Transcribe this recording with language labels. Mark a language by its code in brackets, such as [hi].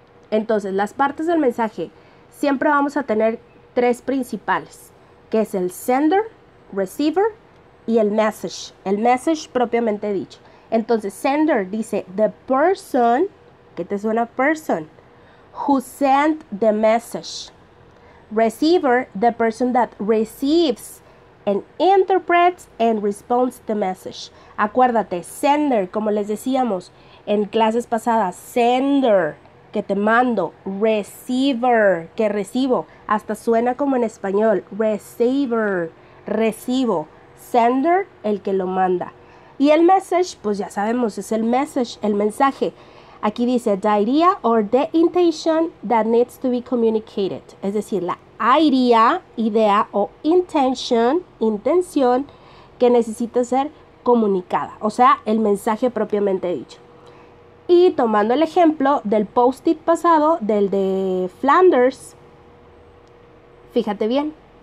[es] Entonces, las partes del mensaje, siempre vamos a tener tres principales, que es el sender, receiver y el message propiamente dicho. Entonces, sender dice [en] the person, [es] ¿qué te suena person? [en] Who sent the message. Receiver, the person that receives and interprets and responds the message. [es] Acuérdate, sender, como les decíamos en clases pasadas, sender, que te mando, receiver, que recibo, hasta suena como en español, receiver, recibo, sender, el que lo manda. Y el message, pues ya sabemos, es el message, el mensaje. Aquí dice, [en] the idea or the intention that needs to be communicated. [es] Es decir, la idea, idea o intention, intención, que necesita ser comunicada. O sea, el mensaje propiamente dicho. Y tomando el ejemplo del post-it pasado, del de Flanders, fíjate bien.